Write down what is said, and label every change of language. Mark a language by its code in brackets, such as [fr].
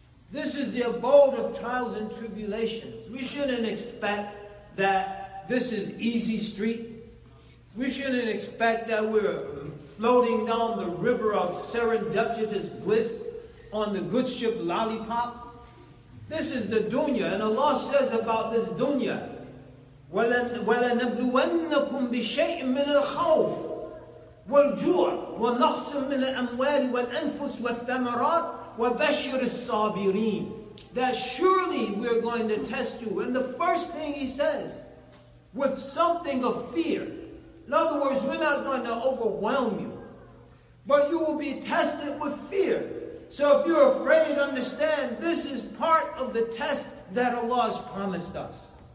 [en] This is the abode of trials and tribulations. We shouldn't expect that this is easy street. We shouldn't expect that we're floating down the river of serendipitous bliss on the good ship Lollipop. This is the dunya, and Allah says about this dunya, [ar] وَلَنَبْلُوَنَّكُمْ بِشَيْءٍ مِّنَ الْخَوْفِ وَالْجُوعِ وَنَقْصٍ مِّنَ الْأَمْوَالِ وَالْأَنفُسِ وَالثَّمَرَاتِ وَبَشِّرِ الصَّابِرِينَ. [en] That surely we're going to test you. And the first thing he says, with something of fear. In other words, we're not going to overwhelm you, but you will be tested with fear. So if you're afraid, understand, this is part of the test that Allah has promised us.